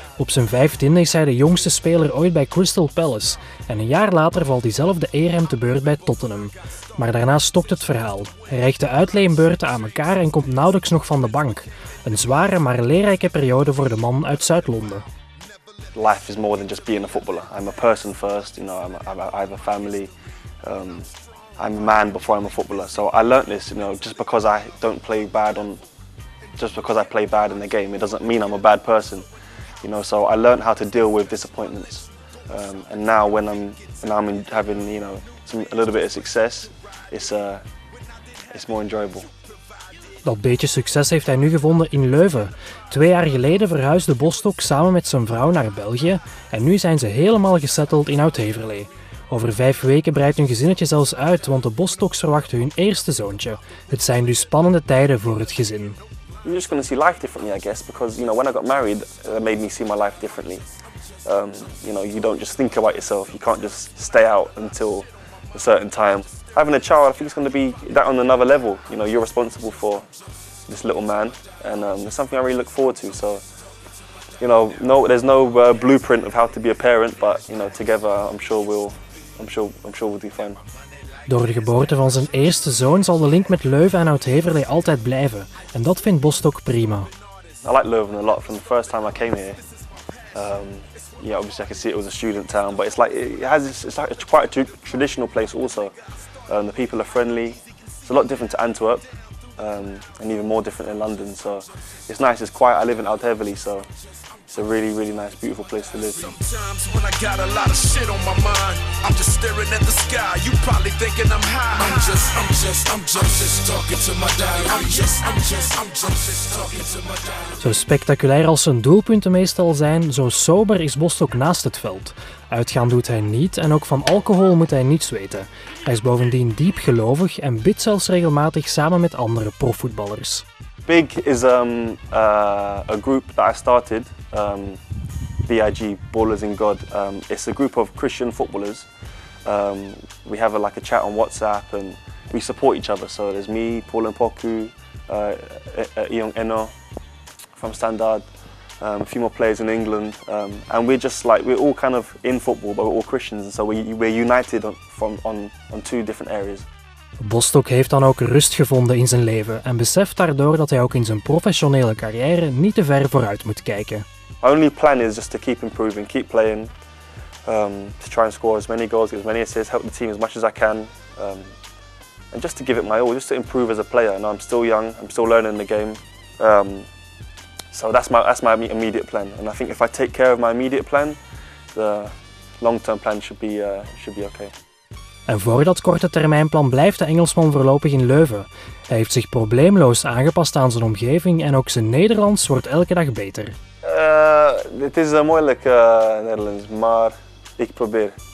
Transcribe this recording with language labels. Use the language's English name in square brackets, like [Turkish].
[Dutch] Op zijn 15e is hij de jongste speler ooit bij Crystal Palace. En een jaar later valt diezelfde eer hem te beurt bij Tottenham. Maar daarna stokt het verhaal. Hij reikt de uitleenbeurten aan elkaar en komt nauwelijks nog van de bank. Een zware maar leerrijke periode voor de man uit Zuid-Londen. [English] Life is more than just being a footballer. I'm a person first, you know, I have a family. I'm a man before I'm a footballer. So I learned this, you know, just because I don't play bad on, just because I play bad in the game, it doesn't mean I'm a bad person. You know, so I learned how to deal with disappointments. And now when I'm having, you know, a little bit of success, it's more enjoyable. [Dutch] Dat beetje succes heeft hij nu gevonden in Leuven. 2 jaar geleden verhuisde Bostock samen met zijn vrouw naar België en nu zijn ze helemaal gesetteld in Oud-Heverlee. Over 5 weken breidt hun gezinnetje zelfs uit, want de Bostocks verwachten hun eerste zoontje. Het zijn dus spannende tijden voor het gezin. [English] I'm just going to see life differently, I guess, because you know when I got married, it made me see my life differently. You know, you don't just think about yourself. You can't just stay out until a certain time. Having a child, I think it's going to be that on another level. You know, you're responsible for this little man, and it's something I really look forward to. So, you know, there's no blueprint of how to be a parent, but you know, together, I'm sure we'll do fine. [Dutch] Door de geboorte van zijn eerste zoon zal de link met Leuven en Oud-Heverlee altijd blijven, en dat vindt Bostock prima. [English] I like Leuven a lot from the first time I came here. Yeah, obviously I can see it was a student town, but it's quite a traditional place also. The people are friendly. It's a lot different to Antwerp, and even more different in London. So it's nice. It's quiet. I live in Oud-Heverlee, so it's a really, really nice, beautiful place to live. Sometimes when I got a lot of shit on my mind, I'm just staring at the sky. You probably thinking I'm high. I'm just talking to my diary. I'm just talking to my diary. [Dutch] Zo spectaculair als zijn doelpunten meestal zijn, zo sober is Bostock naast het veld. Uitgaan doet hij niet en ook van alcohol moet hij niets weten. Hij is bovendien diep gelovig en bidt zelfs regelmatig samen met andere profvoetballers. [English] Big is a group that I started, BIG, Ballers in God. It's a group of Christian footballers. We have a chat on WhatsApp and we support each other. So there's me, Paul Mpoku, Iyong Eno from Standard. A few more players in England, and we're just like we're all kind of in football, but we're all Christians, and so we're united on two different areas. [Dutch] Bostock heeft dan ook rust gevonden in zijn leven en beseft daardoor dat hij ook in zijn professionele carrière niet te ver vooruit moet kijken. [English] My only plan is just to keep improving, keep playing, to try and score as many goals, get as many assists, help the team as much as I can, and just to give it my all, just to improve as a player. And I'm still young, I'm still learning the game. So that's my immediate plan, and I think if I take care of my immediate plan, the long-term plan should be okay. [Dutch] En voor dat korte termijnplan blijft de Engelsman voorlopig in Leuven. Hij heeft zich probleemloos aangepast aan zijn omgeving en ook zijn Nederlands wordt elke dag beter. Het is een moeilijk Nederlands, maar ik probeer.